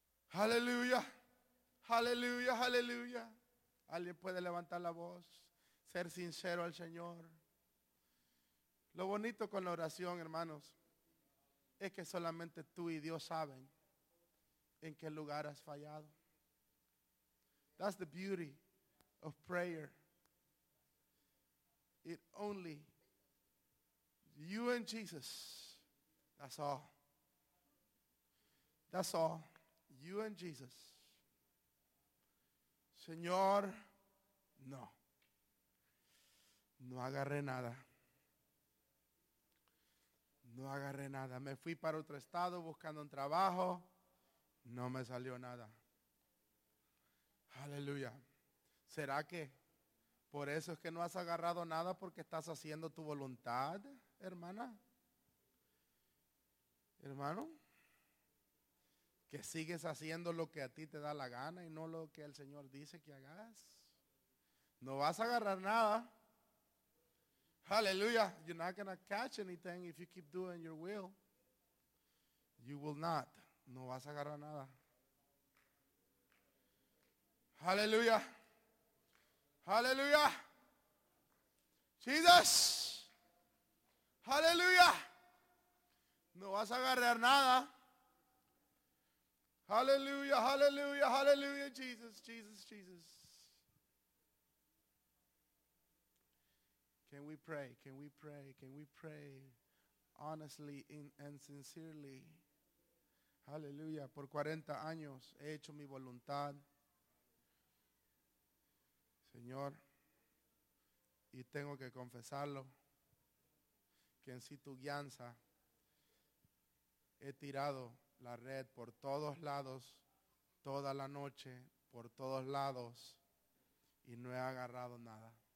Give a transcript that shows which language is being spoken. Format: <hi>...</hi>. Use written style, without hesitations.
<es>Aleluya, aleluya, aleluya. ¿Alguien puede levantar la voz? Ser sincero al Señor. Lo bonito con la oración, hermanos, es que solamente tú y Dios saben en qué lugar has fallado.</es> <en>That's the beauty of prayer. It only, you and Jesus, that's all. That's all, you and Jesus.</en> <es>Señor, no, no agarré nada. No agarré nada. Me fui para otro estado buscando un trabajo. No me salió nada. Aleluya. ¿Será que por eso es que no has agarrado nada? Porque estás haciendo tu voluntad, hermana. Hermano. Que sigues haciendo lo que a ti te da la gana y no lo que el Señor dice que hagas. No vas a agarrar nada.</es> <en>Hallelujah, you're not going to catch anything if you keep doing your will. You will not.</en> <es>No vas a agarrar nada.</es> <en>Hallelujah. Hallelujah. Jesus. Hallelujah.</en> <es>No vas a agarrar nada. Hallelujah, hallelujah, hallelujah, Jesus, Jesus, Jesus.</es> <en>Can we pray? Can we pray? Can we pray honestly and sincerely? Hallelujah.</en> <es>Por 40 años he hecho mi voluntad, Señor, y tengo que confesarlo, que en sí tu guianza he tirado la red por todos lados, toda la noche, por todos lados, y no he agarrado nada.</es>